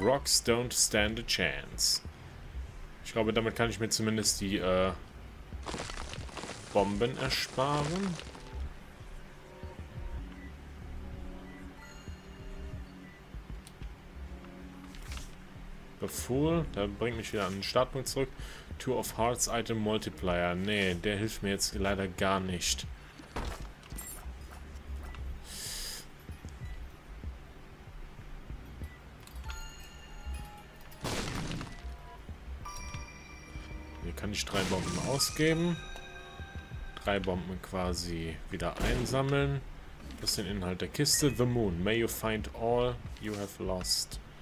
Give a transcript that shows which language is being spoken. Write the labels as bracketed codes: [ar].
[en] Rocks don't stand a chance. [de] Ich glaube, damit kann ich mir zumindest die Bomben ersparen. Befuhl, da bringt mich wieder an den Startpunkt zurück. Two of Hearts Item Multiplier. Nee, der hilft mir jetzt leider gar nicht. Hier kann ich drei Bomben ausgeben. Drei Bomben quasi wieder einsammeln. Das ist der Inhalt der Kiste. [en] The Moon. May you find all you have lost.